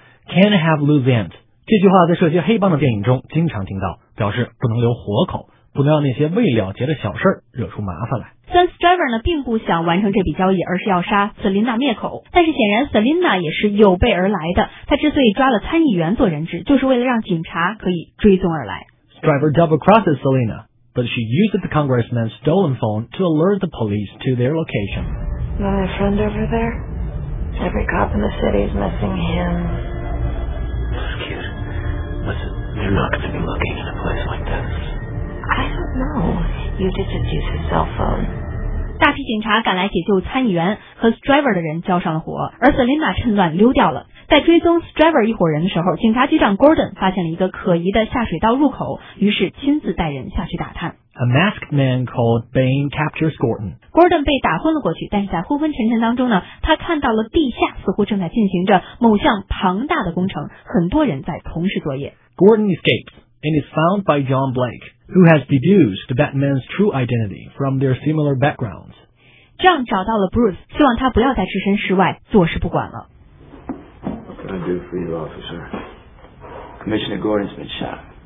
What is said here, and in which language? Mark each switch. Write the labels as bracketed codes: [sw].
[en] Can't have loose ends [zh] 这句话在涉及黑帮的电影中经常听到，表示不能留活口。” 不能让那些未了结的小事惹出麻烦来。但 Stryver 呢，并不想完成这笔交易，而是要杀 Selina 灭口。但是显然 Selina 也是有备而来的，他之所以抓了参议员做人质，就是为了让警察可以追踪而来。 [en] Stryver double crosses Selina, but she uses the congressman's stolen phone to alert the police to their location. My friend over there? Every cop in the city is missing him. Excuse me. Listen, they're not going to be looking in a place like this. I don't know. You did just use his cell phone. [zh] 大批警察赶来解救参议员，和 Stryver 的人交上了火，而 Selina 趁乱溜掉了。在追踪 Stryver 一伙人的时候，警察局长 Gordon 发现了一个可疑的下水道入口，于是亲自带人下去打探。 [en] A masked man called Bane captures Gordon. [zh] Gordon 被打昏了过去，但是在昏昏沉沉当中呢，他看到了地下似乎正在进行着某项庞大的工程，很多人在同时作业。 [en] Gordon escapes. And is found by John Blake, who has deduced Batman's true identity from their similar backgrounds. [zh] John 找到了 Bruce, 希望他不要再置身事外，坐视不管了。 [en] What can I do for you, officer? Commissioner Gordon's been shot.